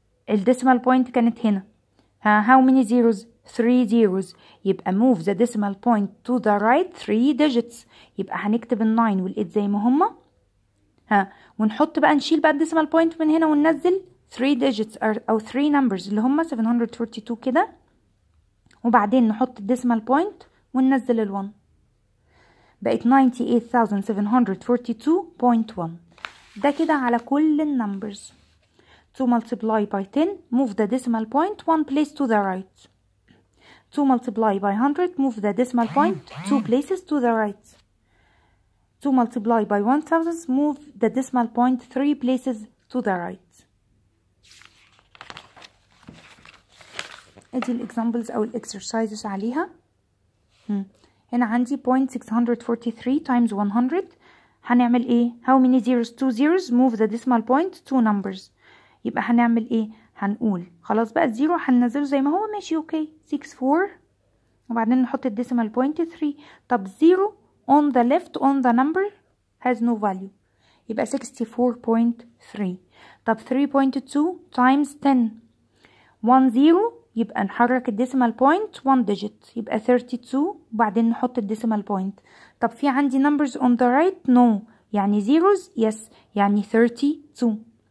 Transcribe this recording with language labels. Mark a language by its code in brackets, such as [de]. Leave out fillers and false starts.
[ar] الديسمال بوينت كانت هنا، [en] how many zeros؟ 3 zeros، [ar] يبقى [en] move the decimal point to the right 3 digits، [ar] يبقى هنكتب ال 9 وال 8 زي ما هما، ها ونحط بقى نشيل بقى الديسمال بوينت من هنا وننزل 3 digits او 3 numbers اللي هما 742 كده، وبعدين نحط الديسمال بوينت وننزل ال 1، بقت 98742.1. ده كده على كل النمبرز. [en] To multiply by 10 move the decimal point one place to the right. To multiply by 100 move the decimal point two places to the right. To multiply by 1000 move the decimal point three places to the right. [ar] ادي الاكزامبلز او الاكسرسايزز عليها. هنا عندي 0.643 times 100 هنعمل ايه؟ [en] How many zeros? Two zeros. Move the decimal point two numbers. [ar] يبقى هنعمل ايه؟ هنقول خلاص بقى الزيرو هننزله زي ما هو ماشي اوكي 64، وبعدين نحط الديسمال بوينت 3. طب زيرو [en] on the left on the number has no value، [ar] يبقى 64.3. طب 3.2 times 10 1 0، يبقى نحرك الديسمال بوينت 1 digit يبقى 32، وبعدين نحط الديسمال بوينت. طب في عندي [en] numbers on the right؟ no، يعني zeros yes يعني 32.